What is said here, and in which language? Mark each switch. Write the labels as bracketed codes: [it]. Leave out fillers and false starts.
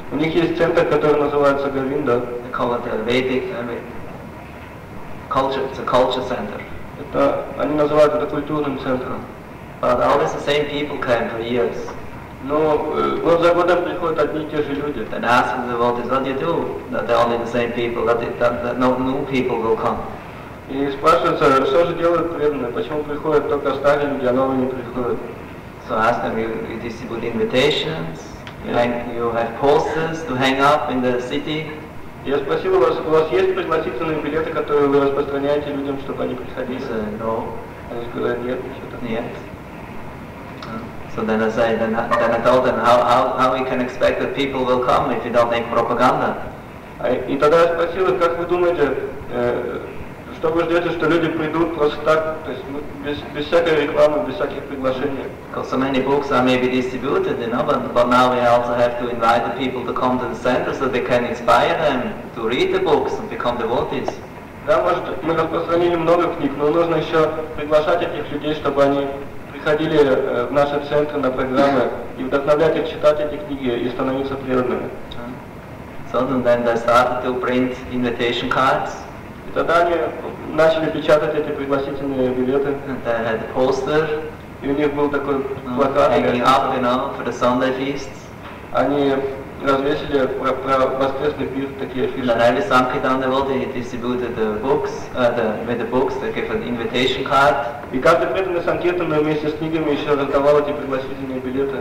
[ru] У них есть центр, который называется Говинда. [en] They call it Vedic. Culture, it's a culture center. [ru] Это, они называют это культурным центром. [en] But always the same people came for years. [ru] Но год за годом приходят одни и те же люди. [en] And ask the devotees, what do you do? That they're only the same people, that no new people will come. [ru] И спрашивается, что же делают преданные, почему приходят только старые люди, а новые не приходят. [en] So ask them, you distribute invitations, you have posters to hang up in the city. [ru] Я спросил у вас есть пригласительные билеты, которые вы распространяете людям, чтобы они приходили? [en] He said, no. [ru] Они сказали, нет, ничего такого. Нет. [en] So then I told them, how we can expect that people will come if you don't make propaganda? [ru] И тогда я спросил их, как вы думаете, что вы ждете, что люди придут просто так, то есть без всякой рекламы, без всяких приглашений? [en] Because so many books are maybe distributed, you know, but now we also have to invite the people to come to the center so they can inspire them to read the books and become devotees. [ru] Да, может, мы распространили много книг, но нужно еще приглашать этих людей, чтобы они приходили в наши центры на программы и вдохновлять их читать эти книги и становиться преданными. [en] So then they started to print invitation cards. [ru] И тогда они начали печатать эти пригласительные билеты. [en] And they had a poster. [ru] И у них был такой плакат. [en] Hanging up, you know, for the Sunday feasts. [ru] Они развесили про воскресный пир такие фишки. [en] And Ravi Sankirtan devotee distributed the books, with the books, they gave an invitation card. [ru] И каждый преданный санкиртан вместе с книгами еще раздавал эти пригласительные билеты.